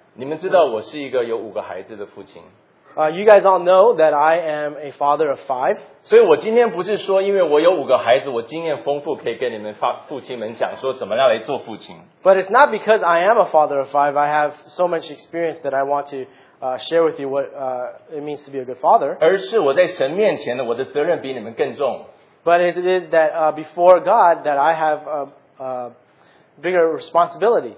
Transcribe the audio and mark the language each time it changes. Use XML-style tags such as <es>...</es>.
<zh>你们知道我是一个有五个孩子的父亲。</zh> <en>You guys all know that I am a father of five.</en> <zh>所以我今天不是说因为我有五个孩子我经验丰富可以跟你们父亲们讲说怎么样来做父亲。</zh> <en>But it's not because I am a father of five. I have so much experience that I want to share with you what it means to be a good father.</en> <zh>而是我在神面前的我的责任比你们更重。</zh> <en>But it is that before God that I have a bigger responsibility.</en>